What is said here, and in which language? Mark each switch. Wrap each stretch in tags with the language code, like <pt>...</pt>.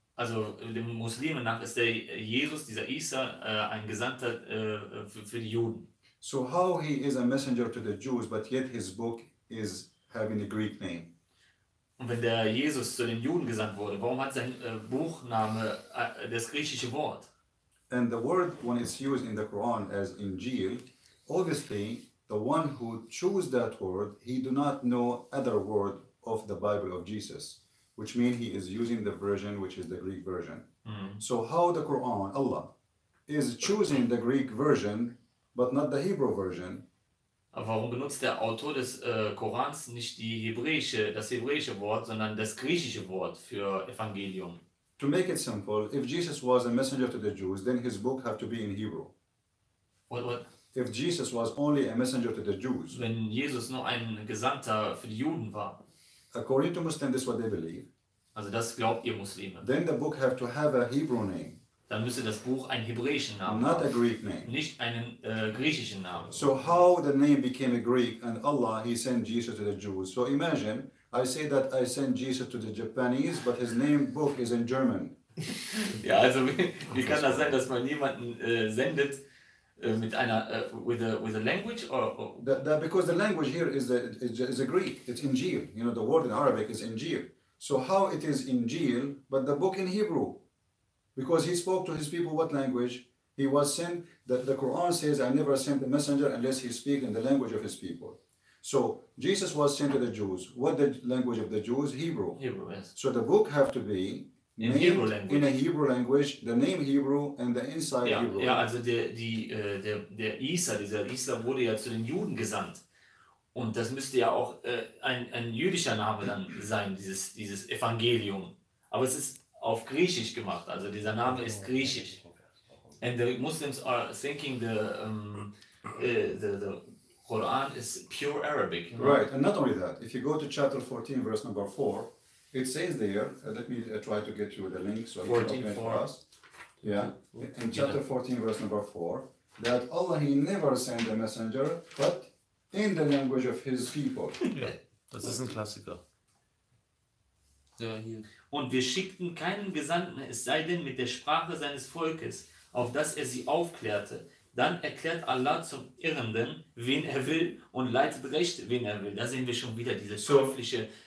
<de>Also dem Muslimen nach ist der Jesus, dieser Isa, ein Gesandter für die Juden.</de> <en>So how he is a messenger to the Jews, but yet his book is having a Greek name?</en> <de>Und wenn der Jesus zu den Juden gesandt wurde, warum hat sein Buchname das griechische Wort?</de> <en>And the word, when it's used in the Quran as Injil, obviously the one who chose that word, he do not know other word of the Bible of Jesus, which means he is using the version, which is the Greek version. Mm-hmm. So how the Quran, Allah, is choosing the Greek version, but not the Hebrew version.</en> <de>Warum benutzt der Autor des Korans nicht das hebräische Wort, sondern das griechische Wort für Evangelium?</de> <en>To make it simple, if Jesus was a messenger to the Jews, then his book had to be in Hebrew. What? If Jesus was only a messenger to the Jews.</en> <de>Wenn Jesus nur ein Gesandter für die Juden war.</de> <en>According to Muslims, this is what they believe.</en> <de>Also das glaubt ihr Muslime.</de> <en>Then the book have to have a Hebrew name.</en> <de>Dann müsste das Buch einen hebräischen Namen haben.</de> <en>Not a Greek name.</en> <de>Nicht einen griechischen Namen.</de> <en>So how the name became a Greek and Allah, he sent Jesus to the Jews. So imagine, I say that I sent Jesus to the Japanese, but his name book is in German.</en> <de>Ja, also wie kann das sein, dass man jemanden sendet mit einer</de> <en>with a language or that because the language here is a Greek, it's Injil. You know, the word in Arabic is Injil. So how it is Injil, but the book in Hebrew? Because he spoke to his people what language? He was sent, the Quran says, I never sent a messenger unless he speak in the language of his people. So Jesus was sent to the Jews. What the language of the Jews? Hebrew. Hebrew, yes. So the book have to be in Hebrew language. In a Hebrew language, the name Hebrew and the inside</en> <de>ja,</de> <en>Hebrew.</en> <de>Ja, also der Isa, dieser Isa wurde ja zu den Juden gesandt. Und das müsste ja auch ein jüdischer Name dann sein, dieses Evangelium. Aber es ist auf Griechisch gemacht, also dieser Name ist griechisch.</de> <en>And the Muslims are thinking the Quran is pure Arabic. You know? Right, and not only that, if you go to chapter 14, verse number 4, it says there, let me try to get you the link so I can open it for us. Yeah, in chapter 14, verse number 4, that Allah, he never sent a messenger, but in the language of his people.</en> <de>Yeah. Das ist ein Klassiker. Ja, hier. Und wir schickten keinen Gesandten, es sei denn mit der Sprache seines Volkes, auf das er sie aufklärte. Dann erklärt Allah zum Irrenden, wen er will, und leitet recht, wen er will. Da sehen wir schon wieder diese teuflische.</de>